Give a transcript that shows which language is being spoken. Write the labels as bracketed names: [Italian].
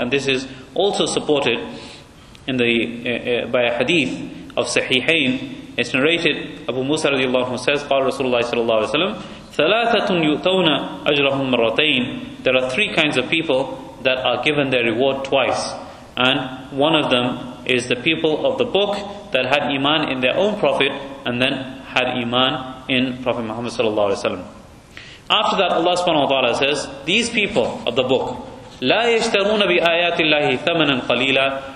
[English] And this is also supported in the by a hadith of Sahihain. It's narrated, Abu Musa radiallahu anhu says, [Arabic] قال رسول الله صلى الله عليه وسلم ثلاثة يؤتون أجرهم مرتين. [English] There are three kinds of people that are given their reward twice, and one of them is the people of the book that had iman in their own prophet and then had iman in Prophet Muhammad صلى الله عليه وسلم. After that, Allah subhanahu wa ta'ala says, these people of the book, [Arabic] لا يشترون بآيات الله ثمنا قليلا.